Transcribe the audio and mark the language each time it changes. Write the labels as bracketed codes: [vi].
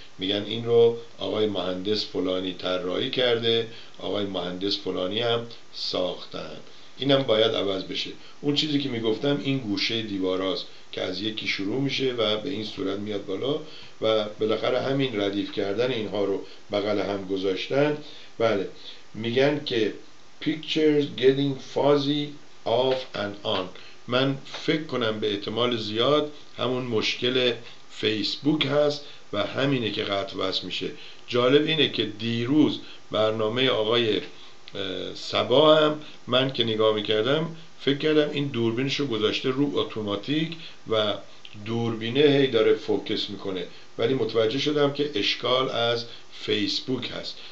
[fa] میگن این رو آقای مهندس فلانی طراحی کرده، آقای مهندس فلانی هم ساختن. اینم باید عوض بشه. اون چیزی که میگفتم این گوشه دیواراست که از یکی شروع میشه و به این صورت میاد بالا، و بالاخره همین ردیف کردن اینها رو بغل هم گذاشتن. [en] بله، میگن که pictures getting fuzzy off and on. [fa] من فکر کنم به احتمال زیاد همون مشکل فیسبوک هست و همینه که قطع وصل میشه. جالب اینه که دیروز برنامه آقای سبا هم من که نگاه میکردم فکر کردم این دوربینشو گذاشته رو اتوماتیک و دوربینه هی داره فوکس میکنه، ولی متوجه شدم که اشکال از فیسبوک هست.